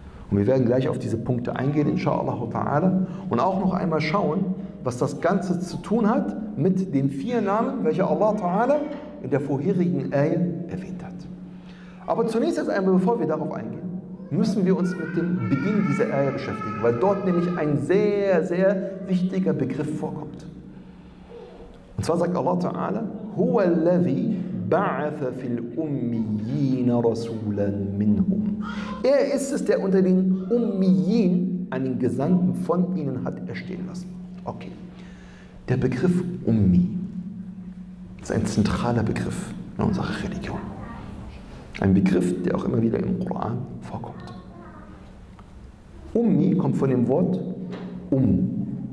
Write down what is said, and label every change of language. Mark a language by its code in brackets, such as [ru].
[de] Und wir werden gleich auf diese Punkte eingehen, insha'Allah ta'ala, und auch noch einmal schauen, was das Ganze zu tun hat mit den vier Namen, welche Allah ta'ala in der vorherigen Ayah erwähnt hat. Aber zunächst erst einmal, bevor wir darauf eingehen, müssen wir uns mit dem Beginn dieser Ayah beschäftigen, weil dort nämlich ein sehr, sehr wichtiger Begriff vorkommt. Und zwar sagt Allah Ta'ala, [ar] هُوَ الَّذِي بَعَثَ فِي الْأُمِّيِّينَ رَسُولًا مِّنْهُمْ. [de] Er ist es, der unter den Ummiyin einen Gesandten von ihnen hat erstehen lassen. Okay. Der Begriff Ummi ist ein zentraler Begriff in unserer Religion. Ein Begriff, der auch immer wieder im Koran vorkommt. Ummi kommt von dem Wort Um.